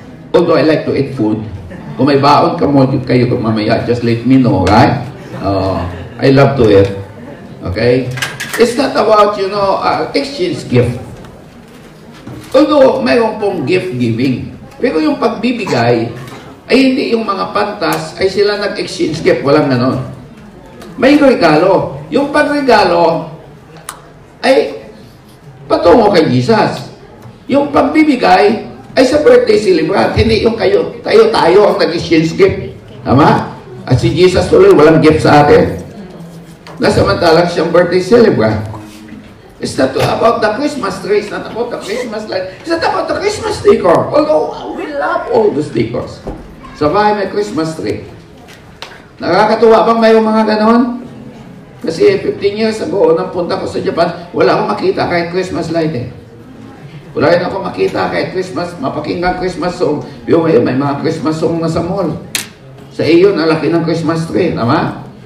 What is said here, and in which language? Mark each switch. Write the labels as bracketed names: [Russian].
[English] Although I like to eat food. [Filipino] Kung may baon ka mo, kayo mamaya, [English] just let me know, right? I love to it. Okay? It's not about, you know, exchange gift. Although, [Filipino] mayroon pong gift-giving. Pero yung pagbibigay, ay hindi yung mga pantas, ay sila nag-exchange gift. Walang ganon. May regalo. Yung pagregalo, ay patungo kay Jesus. Yung pagbibigay, ay sa birthday celebrant. Hindi yung kayo, tayo-tayo ang nag-exchange gift. Tama? At si Jesus tuloy, walang gift sa atin. Nasamantalang siyang birthday celebrant. [English] It's not about the Christmas tree. It's not about the Christmas light. It's not about the Christmas decor. Although, we love all those decors. [Filipino] Sa bahay may Christmas tree. Nakakatuwa bang mayroong mga ganon? Kasi 15 years ago, nang punta ko sa Japan, wala akong makita kahit Christmas light eh. Wala rin akong makita kahit Christmas, mapakinggan Christmas song. Yung may mga Christmas song na sa mall. Sa iyo, nalaki ng Christmas tree, tama?